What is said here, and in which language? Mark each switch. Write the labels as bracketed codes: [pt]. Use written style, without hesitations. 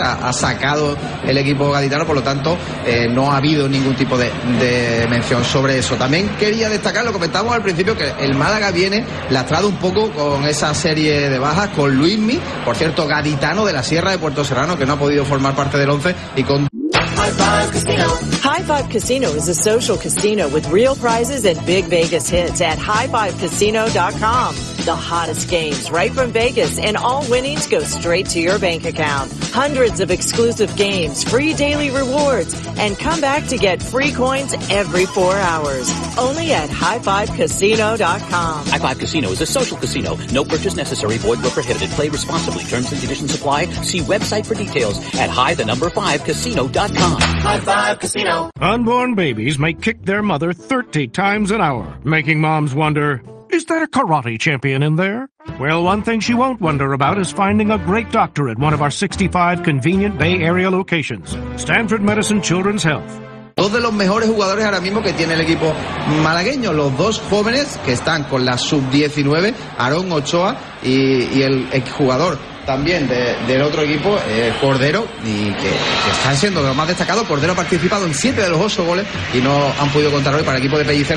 [es] Ha sacado el equipo gaditano, por lo tanto, no ha habido ningún tipo de mención sobre eso. También quería destacar, lo comentábamos al principio, que el Málaga viene lastrado un poco con esa serie de bajas, con Luismi, por cierto, gaditano de la Sierra de Puerto Serrano, que no ha podido formar parte del once, y con... [en] High Five Casino. High Five Casino is a social casino with real prizes and big Vegas hits at highfivecasino.com. The hottest games right from Vegas, and all winnings go straight to your bank account. Hundreds of exclusive games, free daily rewards, and come back to get free coins every 4 hours. Only at highfivecasino.com. High Five Casino is a social casino. No purchase necessary. Void where prohibited. Play responsibly. Terms and conditions apply. See website for details at highthenumber5casino.com. High Five Casino. Unborn babies may kick their mother 30 times an hour, making moms wonder, is that a karate champion in there? Well, one thing she won't wonder about is finding a great doctor at one of our 65 convenient Bay Area locations. Stanford Medicine Children's Health. [es] Dos de los mejores jugadores ahora mismo que tiene el equipo malagueño, los dos jóvenes que están con la sub-19, Aarón Ochoa y el exjugador también del otro equipo, Cordero, y que está siendo de lo más destacado. Cordero ha participado en 7 de los 8 goles y no han podido contar hoy para el equipo de Pellicer.